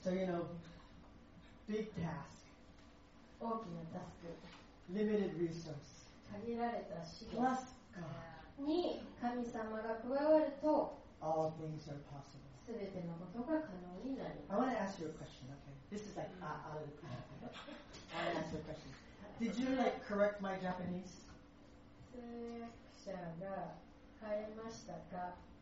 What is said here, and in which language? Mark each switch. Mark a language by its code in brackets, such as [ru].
[en] So you know, big task. [ja] 大きなタスク。 [en] Limited resource. [ja] 限られた資源に神様が加わると、 [en] All things are possible. [ja] すべてのことが可能になります。 [en] I want to ask you a question. Okay, this is like I'll ask you a question. Did you like correct my Japanese? [ja] 通訳者が変えましたか？